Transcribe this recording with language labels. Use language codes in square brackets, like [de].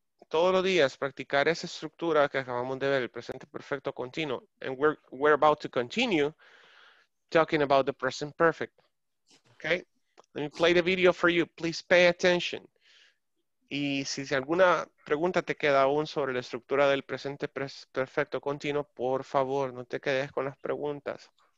[es] Todos los días, practicar esa estructura que acabamos de ver, el presente perfecto continuo. [en] And we're about to continue talking about the present perfect. Okay, let me play the video for you. Please pay attention. [es] Y si alguna pregunta te queda aún sobre la estructura del presente perfecto continuo, por favor, no te quedes con las preguntas.